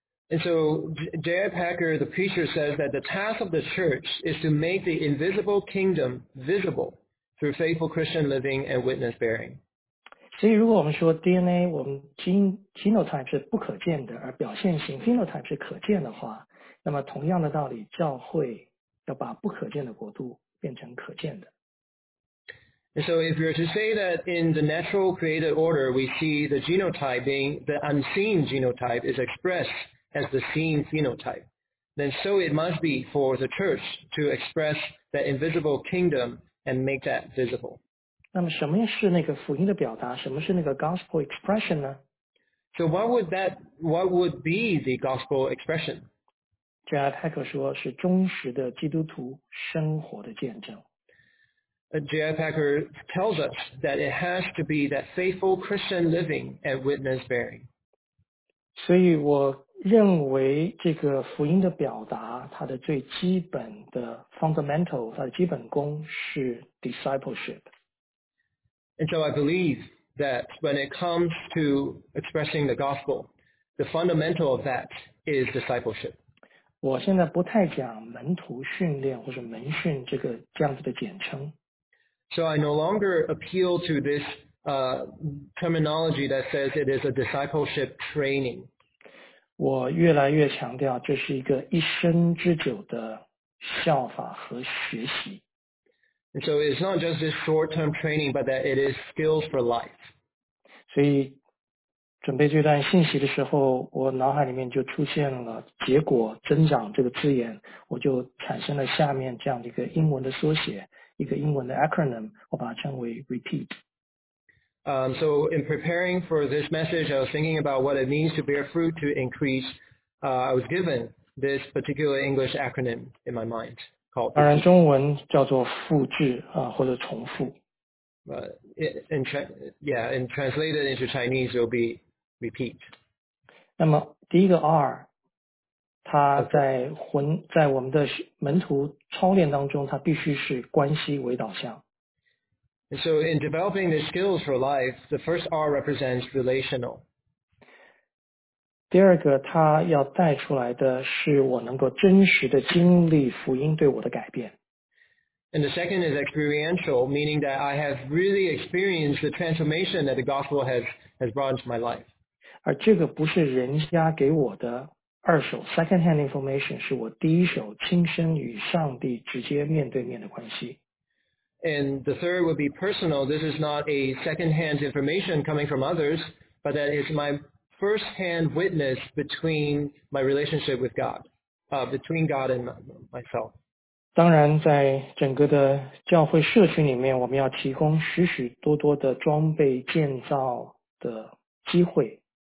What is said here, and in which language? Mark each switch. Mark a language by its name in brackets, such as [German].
[English] And so J.I. Packer, the preacher, says that the task of the church is to make the invisible kingdom visible through faithful Christian living and witness bearing. [Chinese] 所以如果我们说 DNA, 我们 genotype 是不可见的，而表现型 phenotype 是可见的话，那么同样的道理，教会要把不可见的国度变成可见的。 [English] And so if you're to say that in the natural created order, we see the genotype being the unseen genotype is expressed. As the seen phenotype, then so it must be for the church to express that invisible kingdom and make that visible. [Chinese] 那么什么是那个福音的表达？什么是那个 [English] gospel expression [Chinese] 呢？ [English] So what would be the gospel expression? J.I. [Chinese] Packer 说是忠实的基督徒生活的见证。 [English] J.I. Packer tells us that it has to be that faithful Christian living and witness bearing. [Chinese] 所以我认为这个福音的表达它的最基本的 fundamental 它的基本功是 discipleship. [English] And so I believe that when it comes to expressing the gospel, the fundamental of that is discipleship. [Chinese] 我现在不太讲门徒训练或者门训这个这样子的简称。 [English] So I no longer appeal to this、terminology that says it is a discipleship training. [Chinese] 我越来越强调这是一个一生之久的效法和学习。 [English] And so it's not just this short-term training, but that it is skills for life. [Chinese] 所以准备这段信息的时候，我脑海里面就出现了"结果增长"这个字眼，我就产生了下面这样的一个英文的缩写，一个英文的 acronym， 我把它称为 REPEAT。 [English] So in preparing for this message, I was thinking about what it means to bear fruit to increase. I was given this particular English acronym in my mind called. [Chinese] 当然，中文叫做复制啊，或者重复。 [English] And translated into Chinese, it will be repeat. [Chinese] 那么第一个 R， 它在魂在我们的门徒操练当中，它必须是关系为导向。 [English] And so in developing the skills for life, the first R represents relational. [Chinese] 第二个，它要带出来的是我能够真实的经历福音对我的改变。 [English] And the second is experiential, meaning that I have really experienced the transformation that the gospel has brought into my life. [Chinese] 而这个不是人家给我的二手 [English] secondhand information, [Chinese] 是我第一手亲身与上帝直接面对面的关系。 [English] And the third would be personal. This is not a secondhand information coming from others, but that is my firsthand witness between my relationship with God, between God and myself. [Chinese] 当然在整个的教会社群里面，我们要提供许许多多的装备建造的机会。